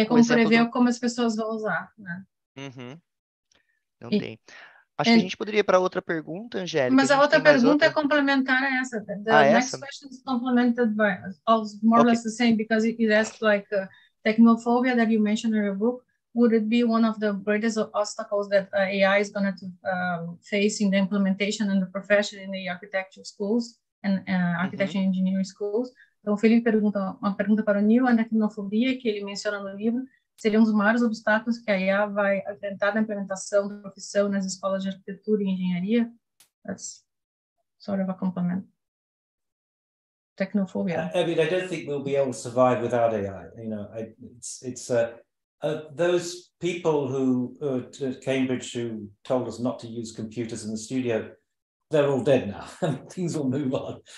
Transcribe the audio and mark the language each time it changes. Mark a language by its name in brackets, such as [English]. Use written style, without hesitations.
[Portuguese] tem como prever como as pessoas vão usar, né? Uhum. Não tem. Acho que a gente poderia ir para outra pergunta, Angélica. Mas a outra pergunta é complementar a essa. [English] The next question is complemented by more or less the same, because it asks like technophobia that you mentioned in your book. Would it be one of the greatest obstacles that AI is going to face in the implementation and the profession in the architecture schools and architecture engineering schools? [Portuguese] Então, o Felipe pergunta uma pergunta para o Neil, a tecnofobia que ele menciona no livro. Seria um dos maiores obstáculos que a IA vai enfrentar na implementação da profissão nas escolas de arquitetura e engenharia? [English] That's sort of a complement. Technophobia. I don't think we'll be able to survive without AI. You know, those people who at Cambridge who told us not to use computers in the studio, they're all dead now. Things will move on.